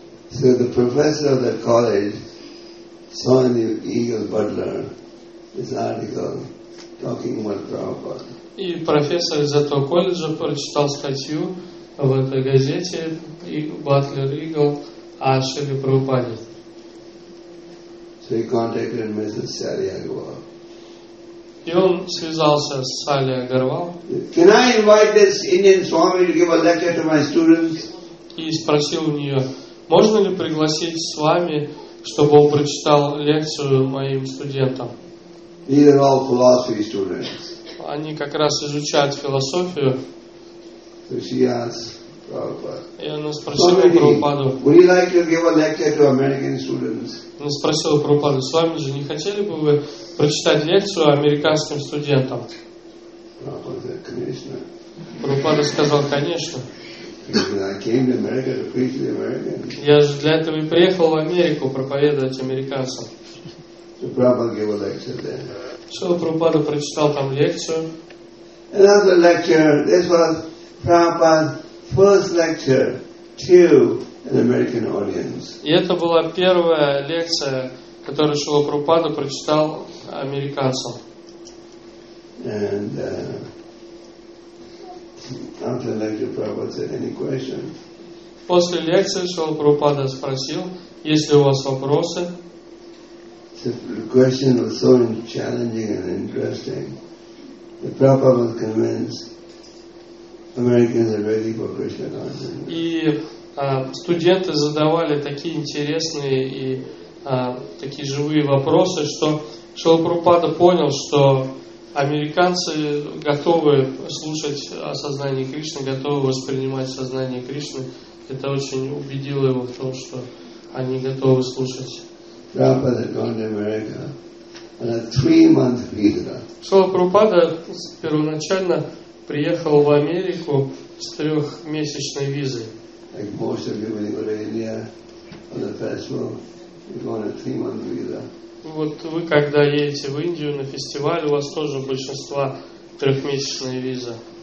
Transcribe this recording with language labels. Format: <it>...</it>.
<en>So the professor of the college saw in the Eagle Butler this article talking about Prabhupada.</en> <ru>И профессор из этого колледжа прочитал статью в этой газете Butler Eagle о Шриле Прабхупаде.</ru> <en>So he contacted Mr. Sally Agarwal.</en> <ru>И он связался с Сали Агарвал.</ru> <en>Can I invite this Indian Swami to give a lecture to my students?</en> <ru>И спросил у нее, можно ли пригласить с вами, чтобы он прочитал лекцию моим студентам?</ru> <en>These are all philosophy students.</en> <ru>Они как раз изучают философию.</ru> <en>So she asked Prabhupada.</en> <ru>И она спросила Прабхупаду.</ru> <en>Would you like to give a lecture to American students?</en> <ru>Она спросила Прабхупаду, с вами же не хотели бы вы прочитать лекцию американским студентам? Прабхупада, конечно. Прабхупада сказал, конечно. Я же для этого и приехал в Америку проповедовать американцам. Шрила Прабхупада прочитал там лекцию.</ru> <en>Another lecture. This was Prabhupada's first lecture to an American audience.</en> <ru>И это была первая лекция, которую Шрила Прабхупада прочитал американцам.</ru> <en>And after lecture, Prabhupada said, "Any questions?"</en> <ru>После лекции Шрила Прабхупада спросил, есть ли у вас вопросы.</ru> <en>The question was so challenging and interesting. The Prabhupada was convinced Americans are ready for Krishna consciousness.</en> <ru>И студенты задавали такие интересные и такие живые вопросы, что Шрила Прабхупада понял, что американцы готовы слушать о сознании Кришны, готовы воспринимать сознание Кришны. Это очень убедило его в том, что они готовы слушать.</ru> <en>Prabhupada gone to America on a 3-month visa.</en> <ru>Шрила Прабхупада первоначально приехал в Америку с 3-месячной визой.</ru> <en>Like most of you, when you go to India on the festival, you go on a 3-month visa.</en> <ru>Вот вы когда едете в Индию на фестиваль, у вас тоже большинство 3-месячная виза.</ru>